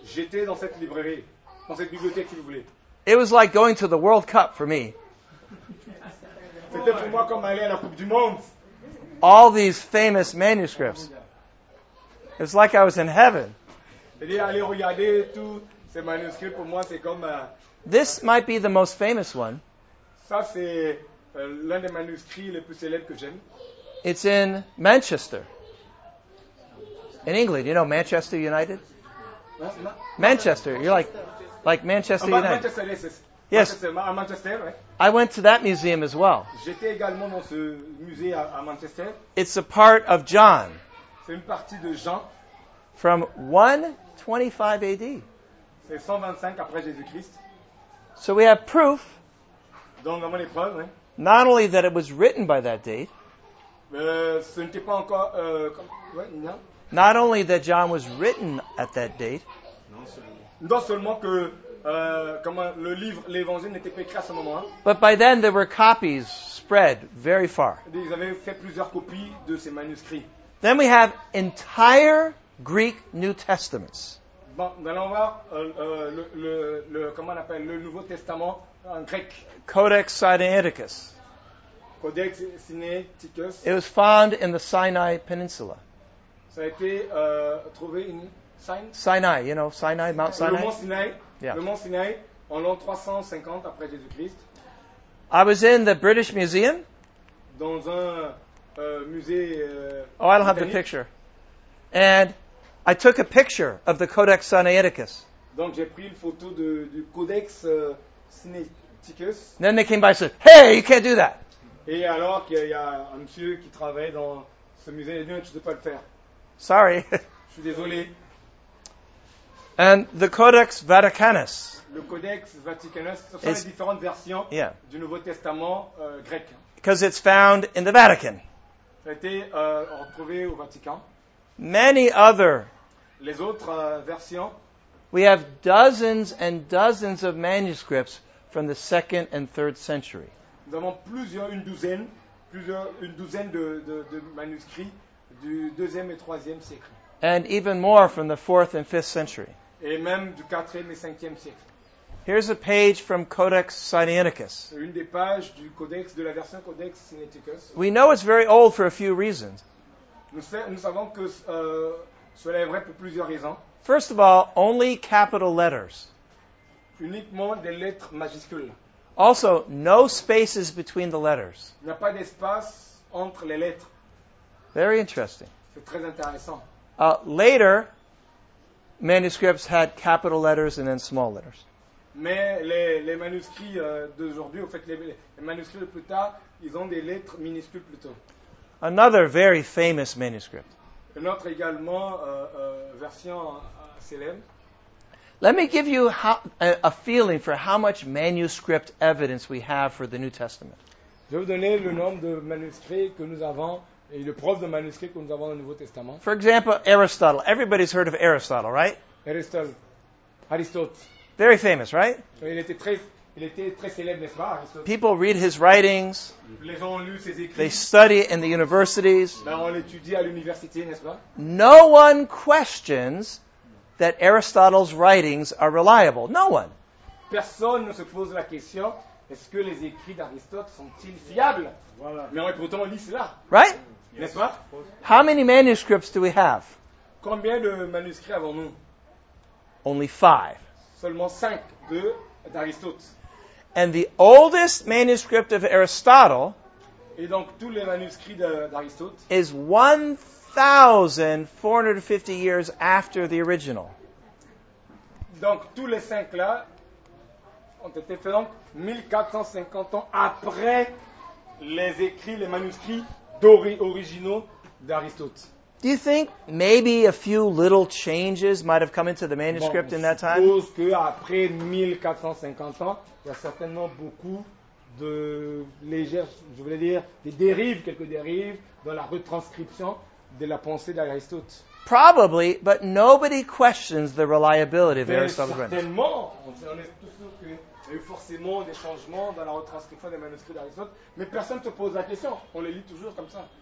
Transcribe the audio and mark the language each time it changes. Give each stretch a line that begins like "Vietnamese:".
French: J'étais dans cette librairie, dans cette bibliothèque, si vous voulez.
English: It was like going to the World Cup for me.
French: C'était pour moi comme aller à la Coupe du Monde.
English: All these famous manuscripts. It was like I was in heaven.
French: C'est-à-dire aller regarder tout. Ces manuscrits pour moi c'est comme
English: This might be the most famous one.
French: Ça c'est l'un des manuscrits les plus célèbres que j'aime.
English: It's in Manchester. In England, you know Manchester United? Manchester. You're like Manchester United. Manchester, yes. Manchester, right? I went to that museum as well.
French: J'étais également dans ce musée à Manchester.
English: It's a part of John.
French: C'est une partie de Jean.
English: From 125 AD.
French: C'est 125 après Jésus-Christ.
English: So we have proof.
French: Donc on a les preuves, hein.
English: Not only that it was written by that date.
French: Ce n'était pas encore non.
English: Not only that John was written at that date.
French: Non seulement que comment le livre l'évangile n'était pas écrit à ce moment-là.
English: But by then there were copies spread very far.
French: Ils avaient fait plusieurs copies de ces manuscrits.
English: Then we have entire Greek New Testaments.
French: Bon, allons voir le comment on appelle le Nouveau Testament en grec.
English: Codex Sinaiticus.
French: Codex Sinaiticus.
English: It was found in the Sinai Peninsula.
French: Ça a été trouvé en
English: Sinai, you know, Sinai, Mount Sinai.
French: Le Mont Sinai. Yeah. Le Mont Sinai en l'an 350 après Jésus-Christ.
English: I was in the British Museum.
French: Dans un musée.
English: Oh, I don't have the picture. And I took a picture of the Codex Sinaiticus.
French: Donc j'ai pris une photo du Codex Sinaiticus.
English: Then they came by and said, "Hey, you can't do that."
French: Et alors qu'il y a un monsieur qui travaille dans ce musée, il dit, "Tu ne peux pas le faire."
English: Sorry.
French: Je suis désolé.
English: And the Codex Vaticanus.
French: Le Codex Vaticanus, ce sont les différentes versions du Nouveau Testament grec.
English: Because it's found in the Vatican.
French: Ça a été retrouvé au Vatican.
English: Many other.
French: Les autres versions.
English: We have dozens and dozens of manuscripts from the 2nd and 3rd century.
French: Nous avons une douzaine de manuscrits du 2e et 3e siècle.
English: And even more from the 4th and 5th century.
French: Et même du 4e et 5e siècle.
English: Here's a page from Codex Sinaiticus.
French: Une des pages du Codex de la version Codex Sinaiticus.
English: We know it's very old for a few reasons.
French: Nous savons que cela est vrai pour plusieurs raisons.
English: First of all, only capital letters.
French: Uniquement des lettres majuscules.
English: Also, no spaces between the letters.
French: Il n'y a pas d'espace entre les lettres.
English: Very interesting.
French: C'est très intéressant.
English: Later, manuscripts had capital letters and then small letters.
French: Mais les manuscrits d'aujourd'hui, en fait, les manuscrits de plus tard, ils ont des lettres minuscules plutôt.
English: Another very famous manuscript.
French: Une autre également version célèbre.
English: Let me give you a feeling for how much manuscript evidence we have for the New Testament.
French: Je vais vous donner le nombre de manuscrits que nous avons et les preuves de manuscrits que nous avons dans le Nouveau Testament.
English: For example, Aristotle. Everybody's heard of Aristotle, right?
French: Aristote.
English: Very famous, right?
French: Il était très célèbre, n'est-ce pas, Aristote?
English: People read his writings.
French: Les gens ont lu ses écrits.
English: They study in the universities.
French: Ben, on l'étudie à l'université, n'est-ce pas?
English: No one questions that Aristotle's writings are reliable. No one.
French: Personne ne se pose la question, est-ce que les écrits d'Aristote sont-ils fiables? Voilà. Mais pourtant, on lit cela.
English: Right?
French: Yes. N'est-ce pas?
English: How many manuscripts do we have?
French: Combien de manuscrits avons-nous?
English: Only five.
French: Seulement cinq de, d'Aristote.
English: And the oldest manuscript of Aristotle,
French: et donc, tous les manuscrits de, d'Aristote,
English: is 1,450 years after the original.
French: Donc, tous les cinq là ont été faits donc 1,450 ans après les écrits, les manuscrits originaux d'Aristote.
English: Do you think maybe a few little changes might have come into the manuscript
French: bon,
English: in that time?
French: Je suppose qu'après 1,450 ans, il y a certainement beaucoup de légères, je voulais dire, des dérives, quelques dérives dans la retranscription de la pensée d'Aristote.
English: Probably, but nobody questions the reliability of Aristotle's writings.
French: Certainement, on est tous sûrs qu'il y a eu forcément des changements dans la retranscription des manuscrits d'Aristote, mais personne ne te pose la question, on les lit toujours comme ça.